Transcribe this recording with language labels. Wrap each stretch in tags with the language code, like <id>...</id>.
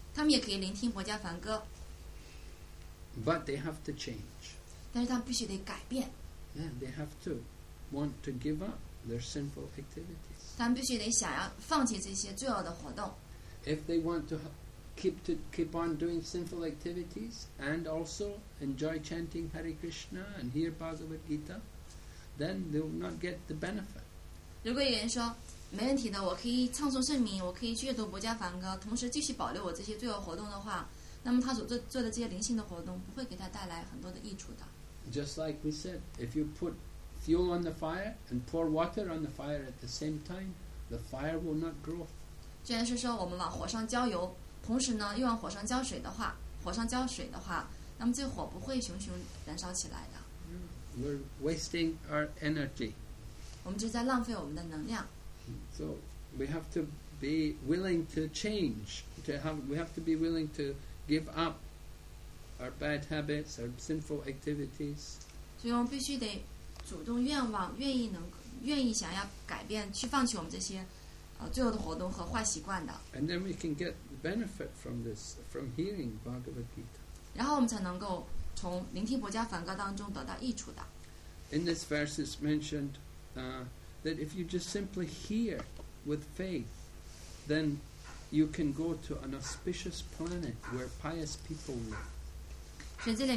<zh>他们也可以聆听《薄伽梵歌》。</zh> <en>But they have to change.</en> <zh>但是他们必须得改变。</zh> <en>Yeah, they have to want to give up their sinful activities.</en> <zh>他们必须得想要放弃这些罪恶的活动。</zh> <en>If they want to. Keep on doing sinful activities and also enjoy chanting Hare Krishna and hear Bhagavad Gita, then they will not get the benefit.</en> <zh>如果有人说没问题的，我可以唱诵圣名，我可以去阅读薄伽梵歌，同时继续保留我这些罪恶活动的话，那么他所做的这些灵性的活动不会给他带来很多的益处的。</zh> <en>Just like we said, if you put fuel on the fire and pour water on the fire at the same time, the fire will not grow.</en> <zh>既然是说我们往火上浇油。同时呢，又往火上浇水的话，火上浇水的话，那么这火不会熊熊燃烧起来的。</zh> <en>We're wasting our energy.</en> <zh>我们就在浪费我们的能量。</zh> <en>So we have to be willing to change. We have to be willing to give up our bad habits, our sinful activities.</en> <zh>所以我们必须得主动愿望，愿意想要改变，去放弃我们这些罪恶的活动和坏习惯的。</zh> <en>And then we can get the benefit from this, from hearing Bhagavad Gita.</en> <zh>然后我们才能够从聆听薄伽梵歌当中得到益处的。</zh> <en>In this verse, it's mentioned that if you just simply hear with faith, then you can go to an auspicious planet where pious people live.</en>